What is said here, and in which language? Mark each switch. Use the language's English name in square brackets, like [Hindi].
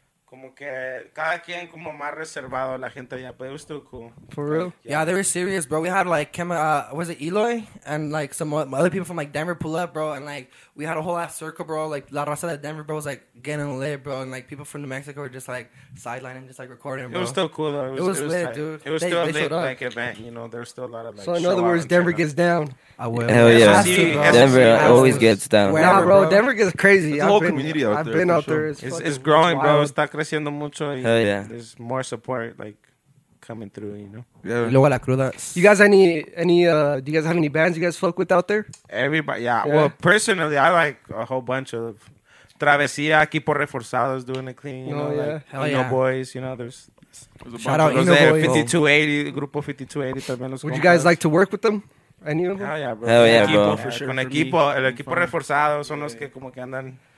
[Spanish] Como que cada quien como más reservado la gente allá, pero es todo cool. [English] For real? Yeah, they were serious, bro. We had like, Eloy? And like some other people from like Denver pull up, bro. And like, we had a whole ass circle, bro. Like, La Raza de Denver, bro, was like getting lit, bro. And like, people from New Mexico were just like sidelining, just like recording, bro. It was still cool, though. It was lit, dude. It was still a lit event, you know. There's still a lot of like, so in other words, Denver gets down. I will. Hell yeah. Denver always gets down. Nah, bro. Denver gets crazy. It's a whole community out there. I've been out there. It's growing, bro. [Spanish] Creciendo mucho y [English] there's more support like coming through, you know. Yeah. [Spanish] La cruda. [English] You guys do you guys have any bands you guys fuck with out there? Everybody. Well, personally I like a whole bunch of Travesía, Equipo Reforzados doing the clean, Boys, you know, there's a bunch of 5280, Grupo 5280 [Spanish] también los [English] Would compas. You guys like to work with them? Any of them? Hell yeah, bro. [Spanish] Con Equipo Reforzados son los que como que andan.